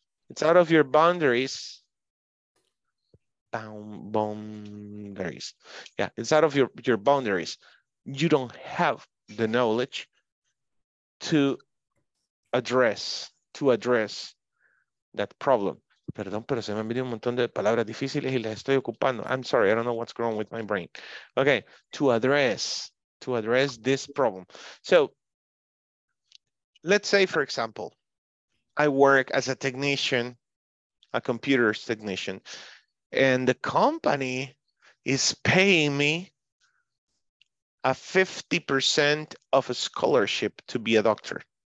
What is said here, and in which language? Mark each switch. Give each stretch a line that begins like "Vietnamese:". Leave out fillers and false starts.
English: It's out of your boundaries. Boundaries. Yeah, it's out of your boundaries. You don't have the knowledge to address that problem.
Spanish: Perdón, pero se me han venido un montón de palabras difíciles y las estoy ocupando.
English: I'm sorry, I don't know what's wrong with my brain. Okay, to address this problem. So, let's say, for example, I work as a technician, a computer technician, and the company is paying me a 50% of a scholarship to be a doctor.